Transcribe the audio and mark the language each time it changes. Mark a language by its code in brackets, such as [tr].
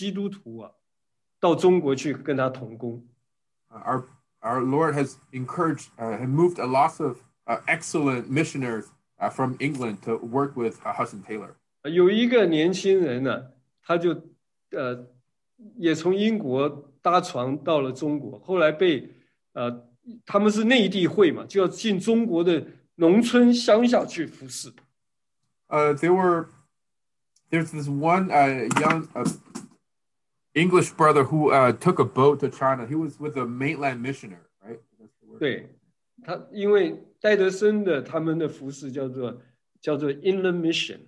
[zh] 主感动了在英国非常多杰出的年轻基督徒啊，到中国去跟他同工。 [en] Our Lord has encouraged and moved a lot of excellent missionaries from England to work with Hudson Taylor. [zh] 有一个年轻人呢，他就也从英国搭船到了中国，后来被他们是内地会嘛，就要进中国的农村乡下去服侍。 [en] There's this one young. English brother who took a boat to China. He was with a mainland missionary, right? That's the word. [zh] 对，他因为戴德森的他们的服事叫做 inland mission.